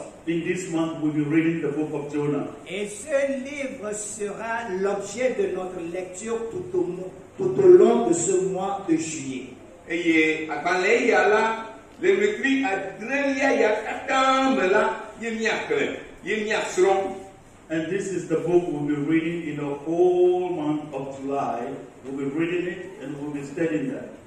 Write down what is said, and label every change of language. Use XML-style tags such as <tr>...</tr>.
<en>In this month, we'll be reading the book of Jonah.</en> <fr>Et ce livre sera l'objet de notre lecture tout au long de ce mois de juillet.</fr> <en>And this is the book we'll be reading in the whole month of July. We'll be reading it and we'll be studying that.</en>